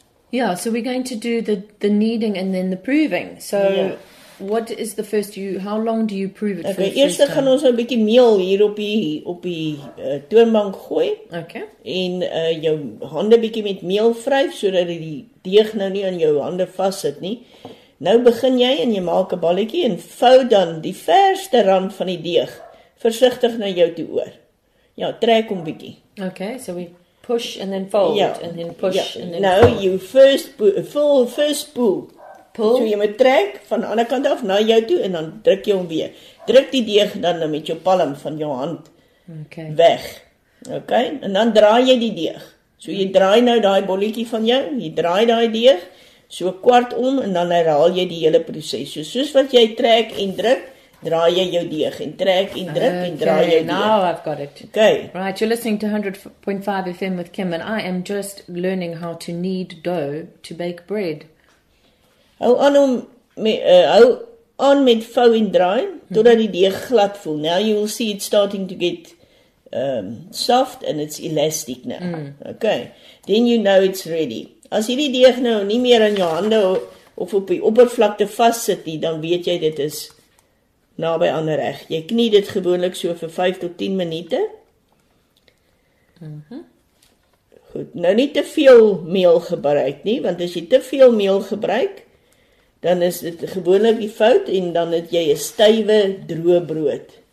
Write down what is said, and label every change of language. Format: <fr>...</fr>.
<en>Yeah, so we're going to do the kneading and then the proving. So yeah. What is the first how long do you prove it?</en> <af>Okay, eers gaan ons 'n bietjie meel hier op die toonbank gooi. Okay. En jou hande bietjie met meel vryf sodat die deeg nou nie aan jou hande vassit nie. Nou begin jy en jy maak 'n balletjie en vou dan die verste rand van die deeg versigtig na jou toe oor. Ja, trek hom bietjie.</af> <en>Okay, so we push and then fold and then push and then Now fold. You first pull. Pull.</en> <af>So jy moet trek van die ander kant af na jou toe en dan druk jy hom weer. Druk die deeg dan met jou palm van jou hand. Okay. Weg. Okay? En dan draai jy die deeg. So jy draai nou daai bolletjie van jou, jy draai daai deeg. So kwart om en dan herhaal jy die hele proses. So soos wat jy trek en druk, draai jy jou deeg en trek en druk en draai jy deeg.</af> <en>Now I've got it. Okay. Right, you're listening to 100.5 FM with Kim and I am just learning how to knead dough to bake bread.</en> <af>Hou aan met vou en draai totdat die deeg glad voel.</af> <en>Now you will see it's starting to get soft and it's elastic now. Mm. Okay. Then you know it's ready.</en> <af>As hierdie deeg nou nie meer in jou hande of op die oppervlakte vaszit nie, dan weet jy dit is naby aan reg. Jy knie dit gewoonlik so vir 5 tot 10 minute. Goed, nou nie te veel meel gebruik nie, want as jy te veel meel gebruik, dan is dit gewoonlik die fout en dan het jy 'n stywe, droë brood.</af>